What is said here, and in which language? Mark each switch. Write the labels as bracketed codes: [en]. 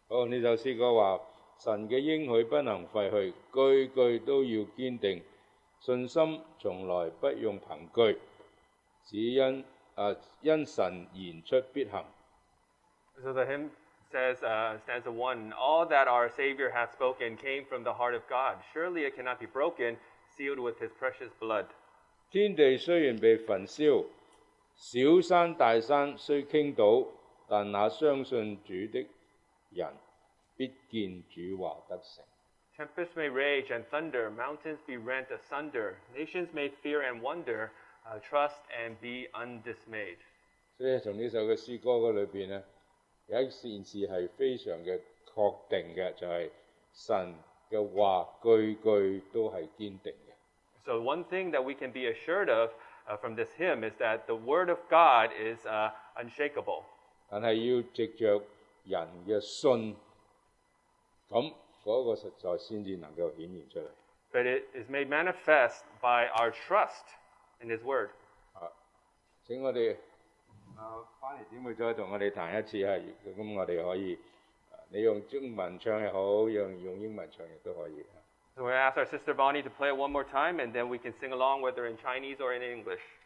[zh] 这首诗歌说，神的应许不能废去，句句都要坚定，信心从来不用凭据，只因因神言出必行。 [en] So the hymn says, stanza 1, all that our Savior hath spoken came from the heart of God. Surely it cannot be broken, sealed with his precious blood. [zh] 天地虽然被焚烧，小山大山虽倾倒，但那相信主的人必见主话得成。 [en] Tempests may rage and thunder, mountains be rent asunder, nations may fear and wonder, trust and be undismayed. [zh] 所以从这首的诗歌里面呢，有一件事是非常的确定的，就是神的话句句都是坚定的。 [en] So one thing that we can be assured of from this hymn is that the word of God is unshakable. [zh] 但是要藉着人的信，那个实在才能够显现出来。 [en] But it is made manifest by our trust in His Word. [zh] 请我们翻译姊妹再跟我们谈一次，那我们可以，你用中文唱也好，用英文唱也都可以。 [en] So we ask our sister Bonnie to play it one more time, and then we can sing along whether in Chinese or in English.